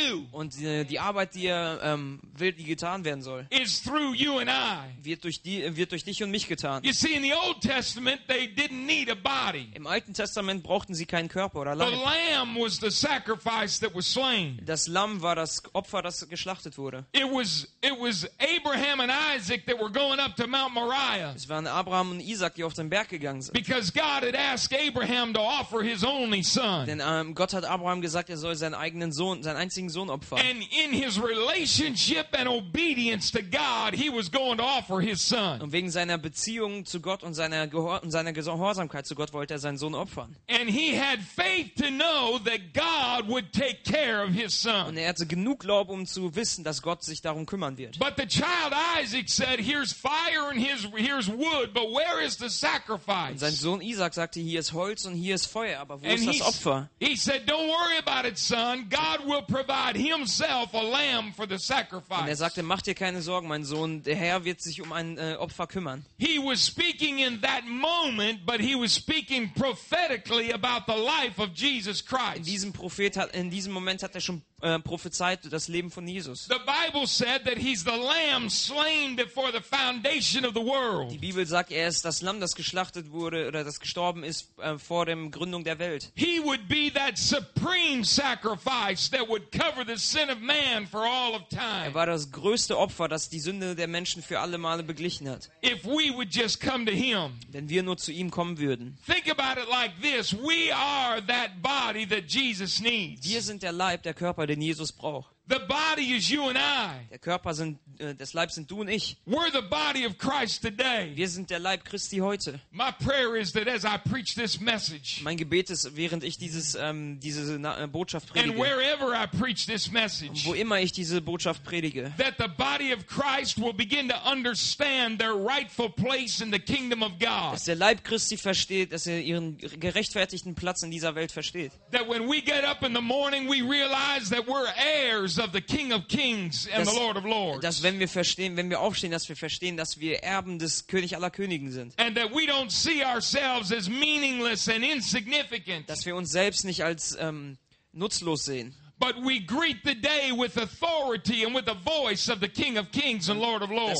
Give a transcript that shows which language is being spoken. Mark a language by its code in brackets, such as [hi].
[de] Und die Arbeit, die er will, die getan werden soll, wird durch dich und mich getan. [en] You see, in the Old Testament, they didn't need a body. [de] Im Alten Testament brauchten sie keinen Körper oder Leib. [en] The lamb was the sacrifice that was slain. [de] Das Lamm war das Opfer, das geschlachtet wurde. [en] It was Abraham and Isaac that were going up to Mount Moriah. [de] Es waren Abraham und Isaac, die auf den Berg gegangen sind. [en] Because God had asked Abraham to offer for his only son. [de] Denn Gott hat Abraham gesagt, er soll seinen eigenen Sohn, seinen einzigen Sohn opfern. [en] And in his relationship and obedience to God, he was going to offer his son. [de] Und wegen seiner Beziehung zu Gott und seiner Gehorsamkeit zu Gott wollte er seinen Sohn opfern. [en] And he had faith to know that God would take care of his son. [de] Und er hatte genug Glauben, um zu wissen, dass Gott sich darum kümmern wird. [en] But the child Isaac said, "Here's fire and here's wood, but where is the sacrifice?" [de] Und sein Sohn Isaac sagte, hier ist Holz und hier ist Feuer, aber wo ist das Opfer? [en] He said, "Don't worry about it, son. God will provide himself a lamb for the sacrifice." [de] Und er sagte, mach dir keine Sorgen, mein Sohn, der Herr wird sich um ein Opfer kümmern. [en] He was speaking in that moment. moment, but he was speaking prophetically about the life of Jesus Christ. [de] In diesem Moment hat er schon prophezeit das Leben von Jesus. [en] The Bible said that he's the lamb slain before the foundation of the world. [de] Die Bibel sagt, er ist das Lamm, das geschlachtet wurde oder das gestorben ist vor dem Gründung der Welt. [en] He would be that supreme sacrifice that would cover the sin of man for all of time. [de] Er war das größte Opfer, das die Sünde der Menschen für alle Male beglichen hat. [en] If we would just come to him. [de] Wenn wir nur zu ihm kommen würden. [en] Think about it like this, we are that body that Jesus needs. [de] Wir sind der Leib, der Körper, den Jesus braucht. Der Körper sind, des Leib sind du und ich. [en] We're the body of Christ today. [de] Wir sind der Leib Christi heute. [en] My prayer is that as I preach this message, [de] mein Gebet ist, während ich diese Botschaft predige, [en] and wherever I preach this message, [de] wo immer ich diese Botschaft predige, [en] that the body of Christ will begin to understand their rightful place in the kingdom of God. [de] Dass der Leib Christi versteht, dass er ihren gerechtfertigten Platz in dieser Welt versteht. [en] That when we get up in the morning, we realize that we're heirs of the King of Kings and the Lord of Lords. [de] Dass wenn wir verstehen, wenn wir aufstehen, dass wir verstehen, dass wir Erben des König aller Königen sind. [en] And that we don't see ourselves as meaningless and insignificant. [de] Dass wir uns selbst nicht als nutzlos sehen. [en] But we greet the day with authority and with the voice of the King of Kings and Lord of Lords.